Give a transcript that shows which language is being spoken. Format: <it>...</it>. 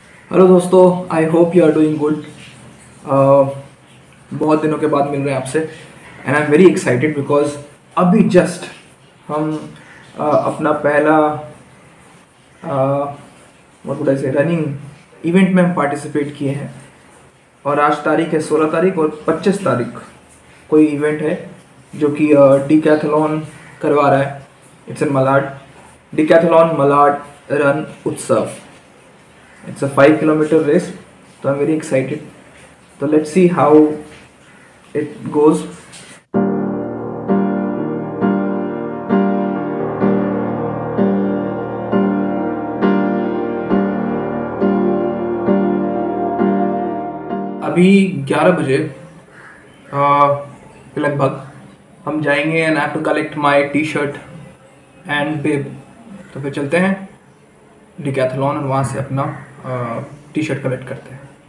<hi>Hello दोस्तों,</hi> <en>I hope you are doing good.</en> <hi>बहुत दिनों के बाद मिल रहे हैं आपसे</hi> <en>and I am very excited because</en> <hi>अभी जस्ट हम अपना पहला व्हाट वुड आई से रनिंग इवेंट में हम पार्टिसिपेट किए हैं और आज तारीख है 16 तारीख और 25 तारीख कोई इवेंट है जो कि डिकैथलॉन करवा रहा है।</hi> <en>It's in Malad, Decathlon Malad run Utsav. It's a 5 kilometer race, so I'm very excited. So let's see how it goes.</en> <hi>अभी 11 बजे के लगभग हम जाएंगे</hi> <en>and I have to collect my t-shirt and bib.</en> <hi>तो फिर चलते हैं डिकैथलॉन और वहाँ से अपना टी शर्ट कलेक्ट करते हैं।</hi>